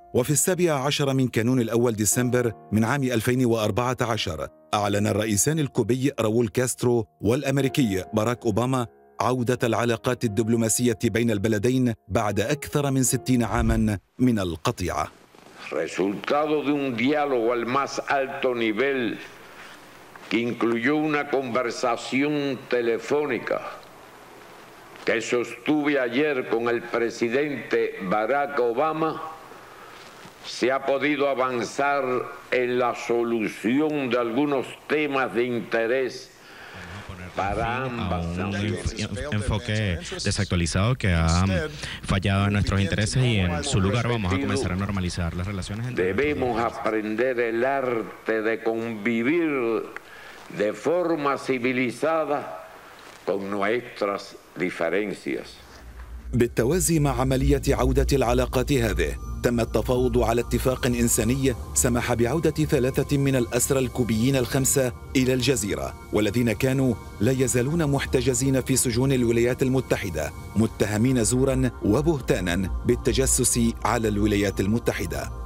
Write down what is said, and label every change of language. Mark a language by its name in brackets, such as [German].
[Arabic] وفي 17 من كانون الأول ديسمبر من عام 2014 أعلن الرئيسان الكوبي راول كاسترو والأمريكي باراك أوباما عودة العلاقات الدبلوماسية بين البلدين بعد أكثر من 60 عاماً من القطيعة. [Spanish] Resultado de un diálogo al más alto nivel que incluyó una conversación telefónica que sostuve ayer con el presidente Barack Obama se ha podido avanzar en la solución de algunos temas de interés. Un enfoque desactualizado que ha fallado en nuestros intereses y en su lugar vamos a comenzar a normalizar las relaciones. Debemos aprender el arte de convivir de forma civilizada con nuestras diferencias. [Arabic] بالتوازي مع عملية عودة العلاقات هذه، تم التفاوض على اتفاق إنساني سمح بعودة 3 من الأسرى الكوبيين 5 إلى الجزيرة، والذين كانوا لا يزالون محتجزين في سجون الولايات المتحدة، متهمين زوراً وبهتاناً بالتجسس على الولايات المتحدة.